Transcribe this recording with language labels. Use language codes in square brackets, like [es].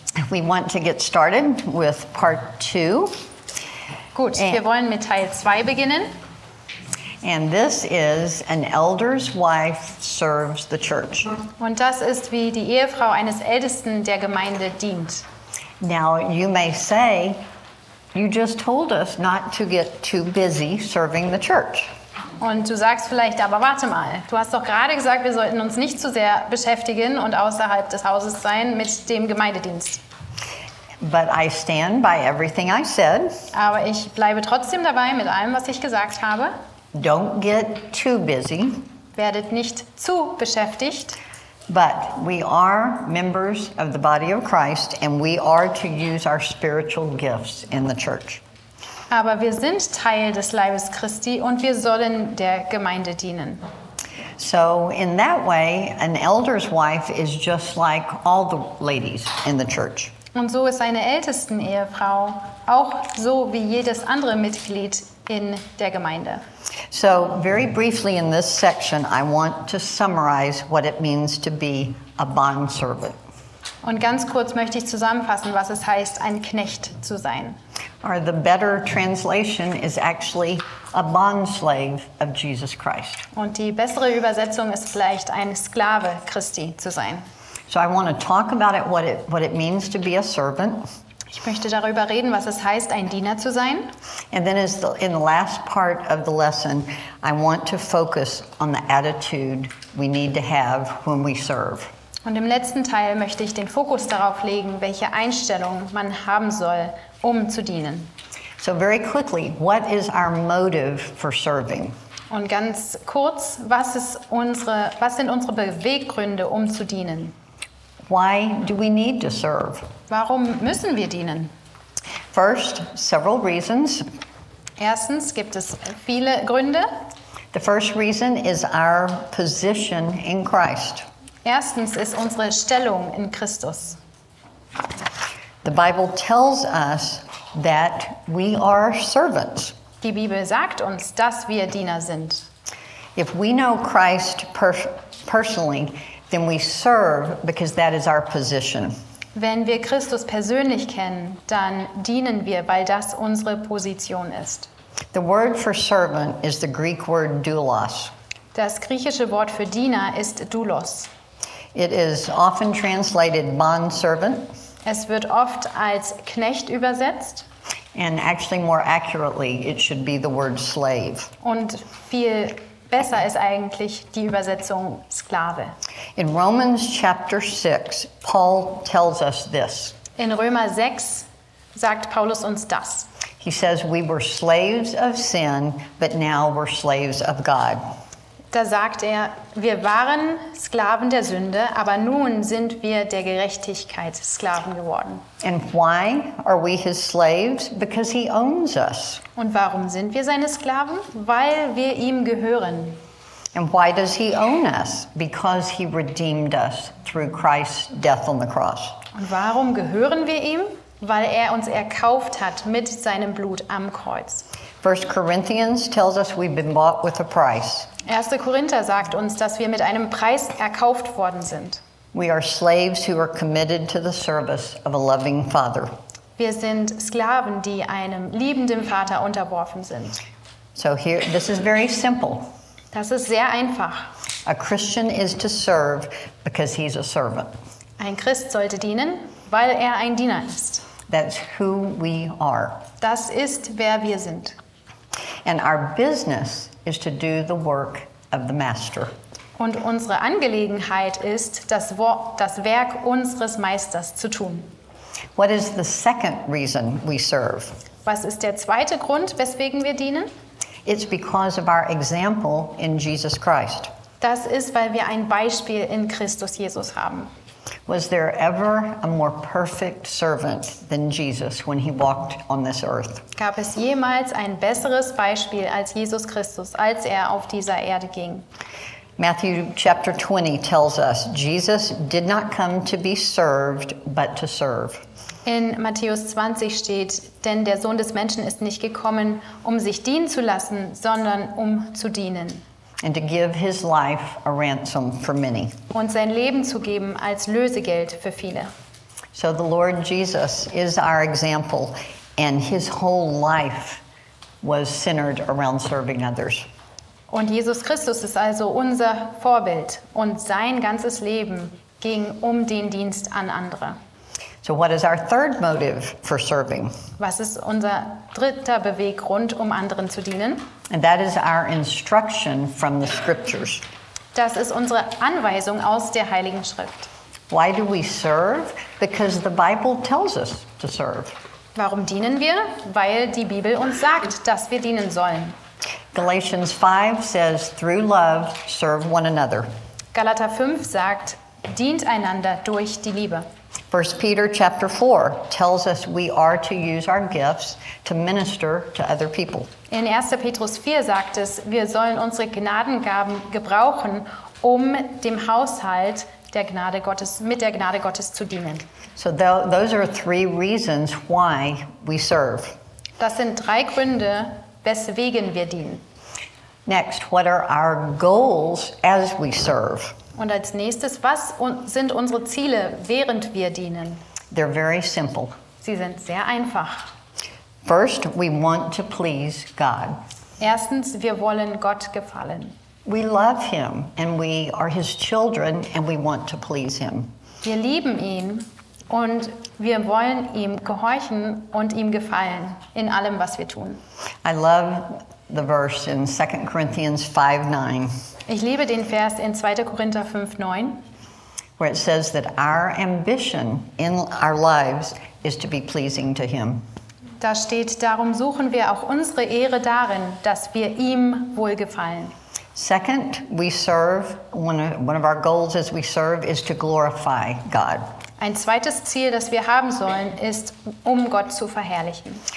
[en] We want to get started with part two. [de] Gut, wir wollen mit Teil 2 beginnen. [en] And this is an elder's wife serves the church. [de] Und das ist wie die Ehefrau eines Ältesten der Gemeinde dient. [en] Now you may say, you just told us not to get too busy serving the church. [de] Und du sagst vielleicht, aber warte mal, du hast doch gerade gesagt, wir sollten uns nicht zu sehr beschäftigen und außerhalb des Hauses sein mit dem Gemeindedienst. [en] But I stand by everything I said. [de] Aber ich bleibe trotzdem dabei mit allem, was ich gesagt habe. [en] Don't get too busy. [de] Werdet nicht zu beschäftigt. [en] But we are members of the body of Christ and we are to use our spiritual gifts in the church. [de] Aber wir sind Teil des Leibes Christi und wir sollen der Gemeinde dienen. [en] So in that way, an elder's wife is just like all the ladies in the church. [de] Und so ist eine Ältesten-Ehefrau auch so wie jedes andere Mitglied in der Gemeinde. [en] So very briefly in this section, I want to summarize what it means to be a bondservant. [de] Und ganz kurz möchte ich zusammenfassen, was es heißt, ein Knecht zu sein. [en] Or the better translation is actually a bondslave of Jesus Christ. [de] Und die bessere Übersetzung ist vielleicht ein Sklave Christi zu sein. [en] So I want to talk about it, what it means to be a servant. [de] Ich möchte darüber reden, was es heißt, ein Diener zu sein. [en] And then in the last part of the lesson, I want to focus on the attitude we need to have when we serve. [de] Und im letzten Teil möchte ich den Fokus darauf legen, welche Einstellung man haben soll, um zu dienen. [en] So very quickly, what is our motive for serving? [de] Und ganz kurz, was sind unsere Beweggründe, um zu dienen? [en] Why do we need to serve? [de] Warum müssen wir dienen? [en] First, several reasons. [de] Erstens gibt es viele Gründe. [en] The first reason is our position in Christ. [de] Erstens ist unsere Stellung in Christus. [en] The Bible tells us that we are servants. [de] Die Bibel sagt uns, dass wir Diener sind. [en] If we know Christ personally, then we serve because that is our position. [de] Wenn wir Christus persönlich kennen, dann dienen wir, weil das unsere Position ist. [en] The word for servant is the Greek word doulos. [de] Das griechische Wort für Diener ist doulos. [en] It is often translated bond servant. [de] Es wird oft als Knecht übersetzt. [en] And actually more accurately, it should be the word slave. [de] Und viel besser ist eigentlich die Übersetzung Sklave. [en] In Romans chapter 6, Paul tells us this. [de] In Römer 6 sagt Paulus uns das. [en] He says we were slaves of sin, but now we're slaves of God. [de] Da sagt er, wir waren Sklaven der Sünde, aber nun sind wir der Gerechtigkeit Sklaven geworden. [en] And why are we his slaves? Because he owns us. [de] Und warum sind wir seine Sklaven? Weil wir ihm gehören. [en] And why does he own us? Because he redeemed us through Christ's death on the cross. [de] Und warum gehören wir ihm? Weil er uns erkauft hat mit seinem Blut am Kreuz. [en] 1 Corinthians tells us we've been bought with a price. [de] 1. Korinther sagt uns, dass wir mit einem Preis erkauft worden sind. [en] We are slaves who are committed to the service of a loving father. [de] Wir sind Sklaven, die einem liebenden Vater unterworfen sind. [en] So here, this is very simple. [de] Das ist sehr einfach. [en] A Christian is to serve because he's a servant. [de] Ein Christ sollte dienen, weil er ein Diener ist. [en] That's who we are. [de] Das ist, wer wir sind. [en] And our business is to do the work of the master. [de] Und unsere Angelegenheit ist, das Werk unseres Meisters zu tun. [en] What is the second reason we serve? [de] Was ist der zweite Grund, weswegen wir dienen? [en] It's because of our example in Jesus Christ. [de] Das ist, weil wir ein Beispiel in Christus Jesus haben. [en] Was there ever a more perfect servant than Jesus when he walked on this earth? [de] Gab es jemals ein besseres Beispiel als Jesus Christus, als er auf dieser Erde ging? [en] Matthew chapter 20 tells us Jesus did not come to be served, but to serve. [de] In Matthäus 20 steht, denn der Sohn des Menschen ist nicht gekommen, um sich dienen zu lassen, sondern um zu dienen. [en] And to give his life a ransom for many. [de] Und sein Leben zu geben als Lösegeld für viele. [en] So the Lord Jesus is our example, and his whole life was centered around serving others. [de] Und Jesus Christus ist also unser Vorbild, und sein ganzes Leben ging um den Dienst an andere. [en] So what is our third motive for serving? [de] Was ist unser dritter Beweggrund, um anderen zu dienen? [en] And that is our instruction from the scriptures. [de] Das ist unsere Anweisung aus der Heiligen Schrift. [en] Why do we serve? Because the Bible tells us to serve. [de] Warum dienen wir? Weil die Bibel uns sagt, dass wir dienen sollen. [en] Galatians 5 says, through love, serve one another. [de] Galater 5 sagt, dient einander durch die Liebe. [en] 1 Peter chapter 4 tells us we are to use our gifts to minister to other people. [de] In 1. Petrus 4 sagt es, wir sollen unsere Gnadengaben gebrauchen, um dem Haushalt der Gnade Gottes, mit der Gnade Gottes zu dienen. [en] So those are three reasons why we serve. [de] Das sind drei Gründe, weswegen wir dienen. [en] Next, what are our goals as we serve? [de] Und als nächstes, was sind unsere Ziele, während wir dienen? [en] They're very simple. [de] Sie sind sehr einfach. [en] First, we want to please God. [de] Erstens, wir wollen Gott gefallen. [en] We love him and we are his children and we want to please him. [de] Wir lieben ihn und wir wollen ihm gehorchen und ihm gefallen in allem, was wir tun. [en] I love the verse in 2 Corinthians 5:9. [de] Ich liebe den Vers in 2. Korinther 5:9, [en] where it says that our ambition in our lives is to be pleasing to him. [de] Da steht, darum suchen wir auch unsere Ehre darin, dass wir ihm wohlgefallen. [en] Second, we serve, one of our goals as we serve is to glorify God. [de] Ein zweites Ziel, das wir haben sollen, ist, um Gott zu verherrlichen.